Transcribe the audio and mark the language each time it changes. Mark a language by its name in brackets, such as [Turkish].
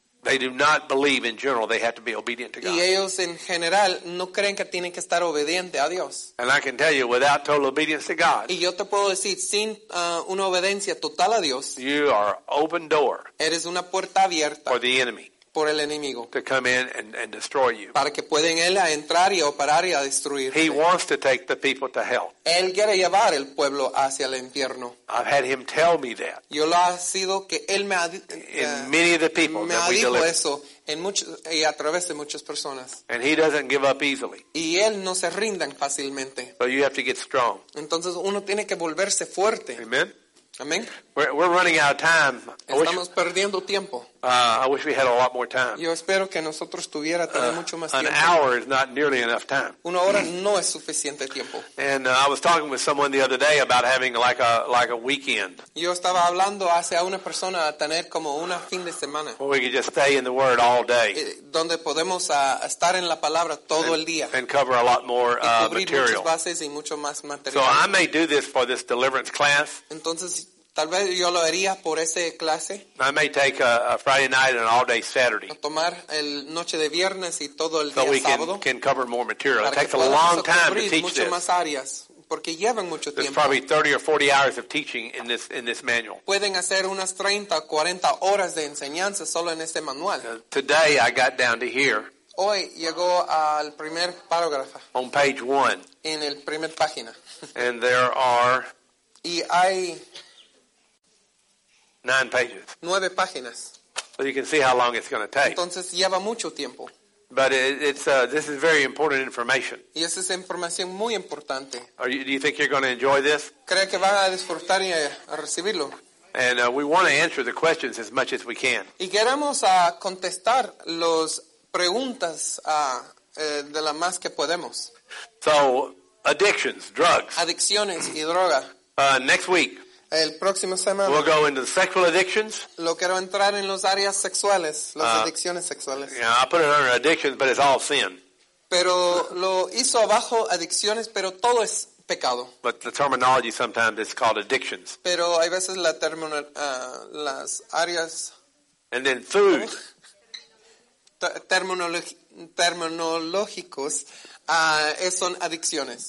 [English] They do not believe in general they have to be obedient to God. [Spanish] Y ellos en general no creen que tienen que estar obediente a Dios. [English] And I can tell you, without total obedience to God, [Spanish] y yo te puedo decir, sin una obediencia total a Dios, [English] you are open door [Spanish] eres una puerta abierta [English] for the enemy [Spanish] por el enemigo [English] to come in and destroy you. [Spanish] Para que pueden él entrar y operar y a destruir. [English] He wants to take the people to hell. [Spanish] Él quiere llevar el pueblo hacia el infierno. [English] I've had him tell me that. [Spanish] Yo lo ha sido que él me ha [English] in many of the people [Spanish] me [English] that we deliver. [Spanish] Me ha dicho eso en muchos y a través de muchas personas. [English] And he doesn't give up easily. [Spanish] Y él no se rindan fácilmente. [English] So you have to get strong. [Spanish] Entonces uno tiene que volverse fuerte. [English] Amen. [Spanish] Amen. [English] We're running out of time. [Spanish] Estamos perdiendo tiempo. [English] I wish we had a lot more time. [Spanish] Yo espero que nosotros tuviera tener mucho más [English] an [Spanish] tiempo. [English] An hour is not nearly enough time. [Spanish] Una hora no es suficiente tiempo. [English] And I was talking with someone the other day about having like a weekend. [Spanish] Yo estaba hablando hace a una persona a tener como una fin de semana. [English] Where we could just stay in the Word all day. [Spanish] Donde podemos estar en la palabra todo [English] and, [Spanish] el día. [English] And cover a lot more material. [Spanish] Y cubrir muchas bases y mucho más material. [English] So I may do this for this deliverance class. [Spanish] Entonces tal vez yo lo haría por ese clase. [English] I may take a Friday night and an all-day Saturday. [Spanish] Tomar el noche de viernes y todo el [English] so [Spanish] día sábado. [English] So we can cover more material. It takes a long time to teach this. [Spanish] Más áreas porque llevan mucho [English] there's [Spanish] tiempo. [English] Probably 30 or 40 hours of teaching in this manual. [Spanish] Pueden hacer unas 30 o 40 horas de enseñanza solo en este manual. [English] Today I got down to here. [Spanish] Hoy llegó al primer párrafo. [English] On page one. [Spanish] En el primer página. [English] And there are... [Spanish] Y hay... [English] 9 pages. [Spanish] 9 páginas. [English] Well, you can see how long it's going to take. [Spanish] Entonces lleva mucho tiempo. [English] But this is very important information. [Spanish] Y esa es información muy importante. [English] Do you think you're going to enjoy this? [Spanish] ¿Cree que va a disfrutar y a recibirlo? [English] And we want to answer the questions as much as we can. [Spanish] Y queremos contestar las preguntas de la más que podemos. [English] So, addictions, drugs. [Spanish] Adicciones y droga. [English] Next week. [Spanish] El próximo semana. [English] We'll go into the sexual addictions. [Spanish] Lo quiero entrar en los áreas sexuales, las adicciones sexuales. [English] Yeah, I put it under addictions, but it's all sin. [Spanish] Pero lo hizo abajo adicciones, pero todo es pecado. [English] But the terminology sometimes is called addictions. [Spanish] Pero hay veces la termino, las áreas. [English] And then food. [Spanish] Terminológicos son adicciones.